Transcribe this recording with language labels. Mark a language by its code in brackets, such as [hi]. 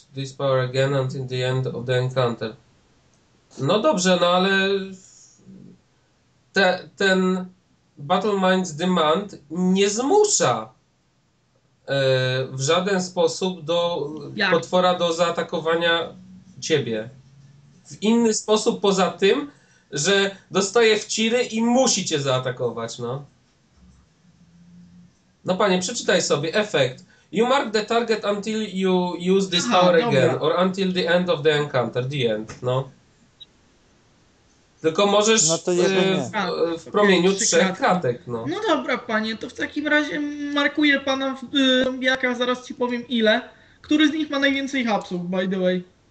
[en] this power again until the end of the encounter. [pl] No dobrze, no ale ten Battle Minds Demand nie zmusza w żaden sposób do potwora do zaatakowania ciebie. W inny sposób poza tym, że dostaje wciry i musi cię zaatakować, no. No panie, przeczytaj sobie efekt. [en] You mark the target until you use this power again, or until the end of the encounter, the end, no. [pl] Tylko możesz w promieniu 3 kratek, no. No dobra, panie, to w takim razie markuję pana w zombiakach, zaraz ci powiem ile. Który z nich ma najwięcej hapsów, [en] by the way?